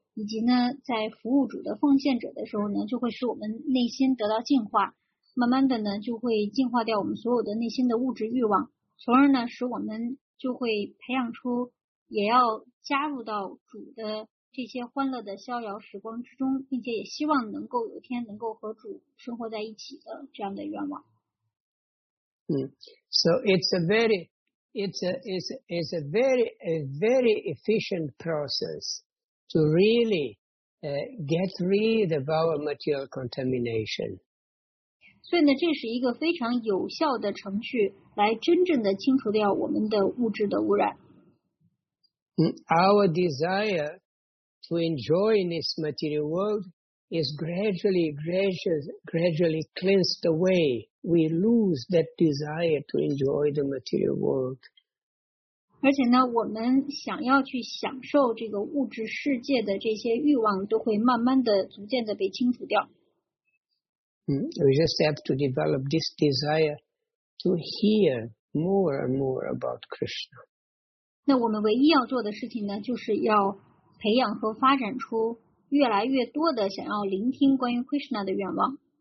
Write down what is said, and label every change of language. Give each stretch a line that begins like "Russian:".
Chinese: 以及呢，在服务主的奉献者的时候呢，就会使我们内心得到净化，慢慢的呢，就会净化掉我们所有的内心的物质欲望，从而呢，使我们就会培养出也要加入到主的这些欢乐的逍遥时光之中，并且也希望能够有一天能够和主生活在一起的这样的愿望。
English: So it's a very efficient process to really get rid of our material contamination.
Chinese: 所以呢，这是一个非常有效的程序，来真正的清除掉我们的物质的污染。
English: Our desire to enjoy this material world is gradually cleansed away. We lose that desire to enjoy the material world.
Chinese: 而且呢，我们想要去享受这个物质世界的这些欲望都会慢慢的、逐渐的被清除掉。
English: We just have to develop this desire to hear more and more about Krishna.
Chinese: 那我们唯一要做的事情呢，就是要培养和发展出越来越多的想要聆听关于 Krishna 的愿望。